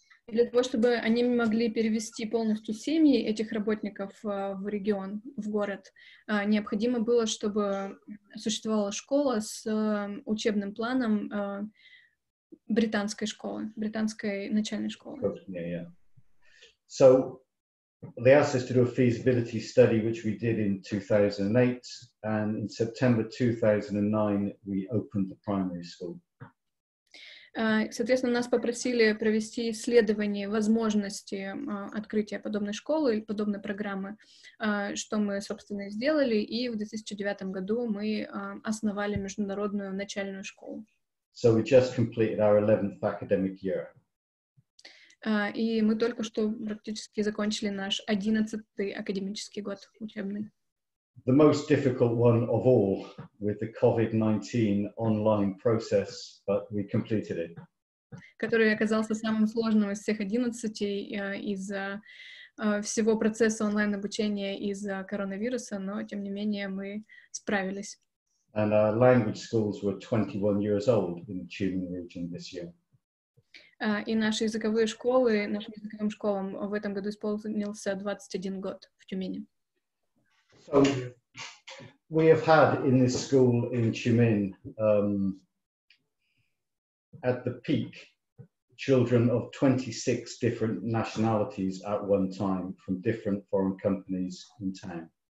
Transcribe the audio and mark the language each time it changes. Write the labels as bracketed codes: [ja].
[ru] для того, чтобы они могли перевести полностью семьи этих работников в регион, в город, необходимо было, чтобы существовала школа с учебным планом британской школы, британской начальной школы. [en] Yeah, yeah. So they asked us to do a feasibility study, which we did in 2008, and in September 2009 we opened the primary school. [ru] Соответственно, нас попросили провести исследование возможности открытия подобной школы или подобной программы, что мы, собственно, и сделали, и в 2009 году мы основали международную начальную школу. [en] So we just completed our 11th academic year. [ru] И мы только что практически закончили наш 11-й академический год учебный. [en] The most difficult one of all with the COVID-19 online process, but we completed it. [ru] Который оказался самым сложным из всех 11 из-за всего процесса онлайн-обучения из-за коронавируса, но тем не менее мы справились. [en] And our language schools were 21 years old in the Tumen region this year. [ru] И наши языковые школы, нашим языковым школам в этом году исполнился 21 год в Тюмени. [en] So we have had in this school in Tumen at the peak children of 26 different nationalities at one time from different foreign companies in town.